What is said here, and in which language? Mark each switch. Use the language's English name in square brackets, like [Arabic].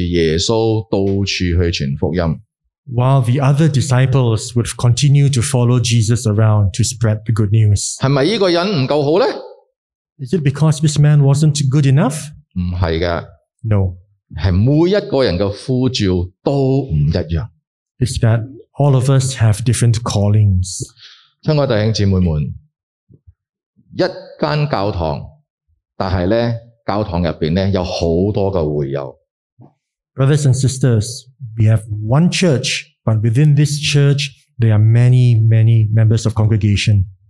[Chinese] 其他的门徒呢，却是跟着耶稣到处去传福音。 [English] While the other disciples would continue to follow Jesus around to spread the good news. [Chinese] 是不是这个人不够好呢? [English] Is it because this man wasn't good enough? [Chinese] 不是的。 [English] No. [Chinese] 是每一个人的呼召都不一样。 [English] It's that all of us have different callings. [Chinese] 亲爱的弟兄姊妹们，一间教堂，但是呢，教堂入面呢，有好多的会友。 [English] Brothers and sisters, we have one church, but within this church, there are many, many members of congregation.